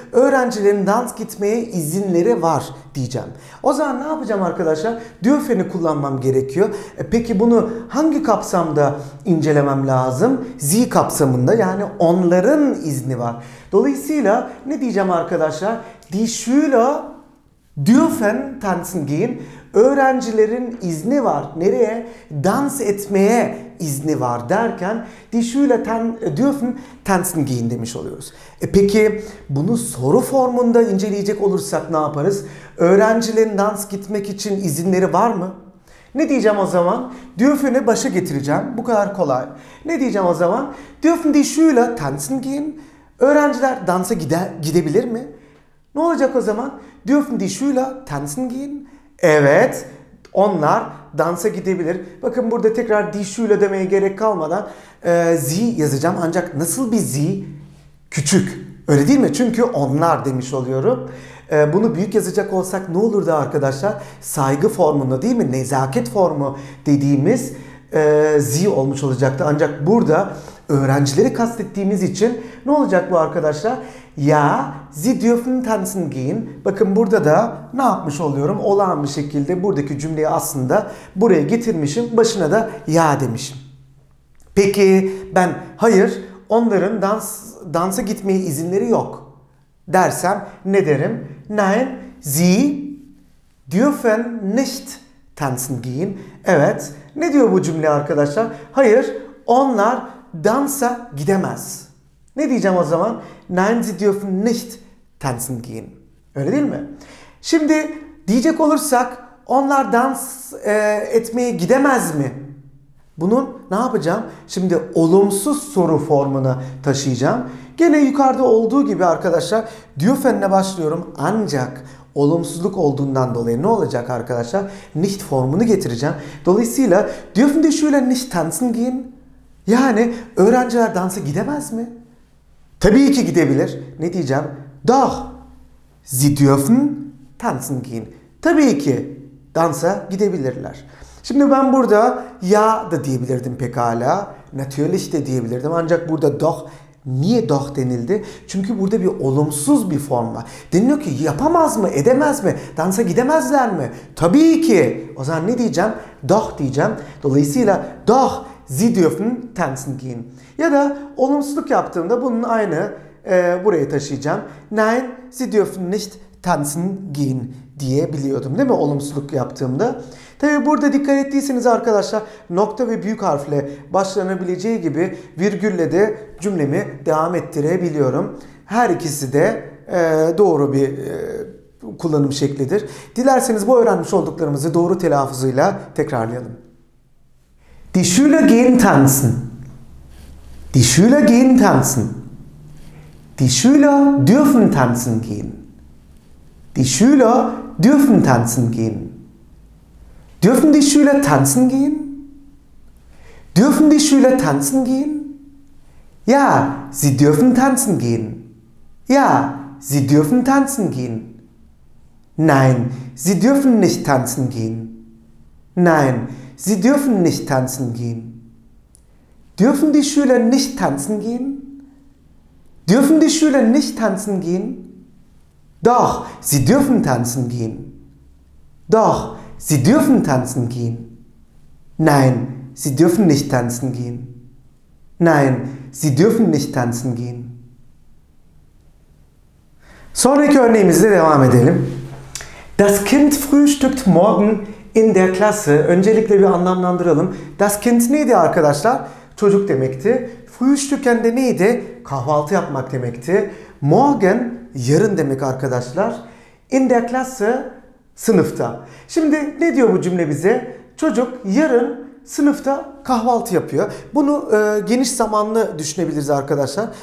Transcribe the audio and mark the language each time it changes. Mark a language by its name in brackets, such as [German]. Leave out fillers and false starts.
[Turkish] Öğrencilerin dans gitmeye izinleri var diyeceğim. O zaman ne yapacağım arkadaşlar? Dürfen'i kullanmam gerekiyor. Peki bunu hangi kapsamda incelemem lazım? Sie kapsamında, yani onların izni var. Dolayısıyla ne diyeceğim arkadaşlar? [German] Die Schüler dürfen tanzen gehen. [Turkish] Öğrencilerin izni var. Nereye? Dans etmeye izni var derken [German] die Schüler dürfen tanzen gehen [Turkish] demiş oluyoruz. Peki bunu soru formunda inceleyecek olursak ne yaparız? Öğrencilerin dans gitmek için izinleri var mı? Ne diyeceğim o zaman? Dürfen'i başa getireceğim. Bu kadar kolay. Ne diyeceğim o zaman? [German] Dürfen die Schüler tanzen gehen. [Turkish] Öğrenciler dansa gidebilir mi? Ne olacak o zaman? [German] Dürfen die Schüler tanzen gehen? [Turkish] Evet, onlar dansa gidebilir. Bakın burada tekrar die Schüler demeye gerek kalmadan sie yazacağım. Ancak nasıl bir sie? Küçük. Öyle değil mi? Çünkü onlar demiş oluyorum. Bunu büyük yazacak olsak ne olurdu arkadaşlar? Saygı formunda değil mi? Nezaket formu dediğimiz sie olmuş olacaktı. Ancak burada öğrencileri kastettiğimiz için ne olacak bu arkadaşlar? [German] Ya, sie dürfen tanzen gehen. [Turkish] Bakın burada da ne yapmış oluyorum? Olağan bir şekilde buradaki cümleyi aslında buraya getirmişim. Başına da ya demişim. Peki ben hayır, onların dansa gitmeye izinleri yok dersem ne derim? [German] Nein, sie dürfen nicht tanzen gehen. [Turkish] Evet, ne diyor bu cümle arkadaşlar? Hayır, onlar dansa gidemez. Ne diyeceğim o zaman? [German] Nein, sie dürfen nicht tanzen gehen. [Turkish] Öyle değil mi? Şimdi diyecek olursak onlar dans etmeye gidemez mi? Bunun ne yapacağım? Şimdi olumsuz soru formuna taşıyacağım. Gene yukarıda olduğu gibi arkadaşlar Diofen'le başlıyorum. Ancak olumsuzluk olduğundan dolayı ne olacak arkadaşlar? Nicht formunu getireceğim. Dolayısıyla Diofen'de şöyle [German] nicht tanzen gehen. [Turkish] Yani öğrenciler dansa gidemez mi? Tabii ki gidebilir. Ne diyeceğim? [German] Doch, sie dürfen tanzen gehen. [Turkish] Tabii ki dansa gidebilirler. Şimdi ben burada ya da diyebilirdim pekala. Natürlich de diyebilirdim. Ancak burada doch, niye doch denildi? Çünkü burada bir olumsuz bir form var. Deniliyor ki yapamaz mı, edemez mi, dansa gidemezler mi? Tabii ki. O zaman ne diyeceğim? Doch diyeceğim. Dolayısıyla [German] doch, sie dürfen tanzen gehen. [Turkish] Ya da olumsuzluk yaptığımda bunun aynı buraya taşıyacağım. [German] Nein, sie dürfen nicht tanzen gehen [Turkish] diyebiliyordum değil mi olumsuzluk yaptığımda. Tabi burada dikkat ettiyseniz arkadaşlar nokta ve büyük harfle başlanabileceği gibi virgülle de cümlemi devam ettirebiliyorum. Her ikisi de doğru bir kullanım şeklidir. Dilerseniz bu öğrenmiş olduklarımızı doğru telaffuzuyla tekrarlayalım. [German] Die Schüler gehen tanzen. Die Schüler gehen tanzen. Die Schüler dürfen tanzen gehen. Die Schüler dürfen tanzen gehen. Dürfen die Schüler tanzen gehen? Dürfen die Schüler tanzen gehen? Ja, sie dürfen tanzen gehen. Ja, sie dürfen tanzen gehen. Nein, sie dürfen nicht tanzen gehen. Nein, sie dürfen nicht tanzen gehen. Dürfen die Schüler nicht tanzen gehen? Dürfen die Schüler nicht tanzen gehen? Doch, sie dürfen tanzen gehen. Doch, sie dürfen tanzen gehen. Nein, sie dürfen nicht tanzen gehen. Nein, sie dürfen nicht tanzen gehen. [Turkish] Sonraki örneğimizle devam edelim. [German] Das Kind frühstückt morgen in der Klasse. [Turkish] Öncelikle bir anlamlandıralım. Das Kind neydi arkadaşlar? Çocuk demekti. Frühstücken de neydi? Kahvaltı yapmak demekti. Morgen, yarın demek arkadaşlar. [German] In der Klasse, [Turkish] sınıfta. Şimdi ne diyor bu cümle bize? Çocuk yarın sınıfta kahvaltı yapıyor. Bunu geniş zamanlı düşünebiliriz arkadaşlar.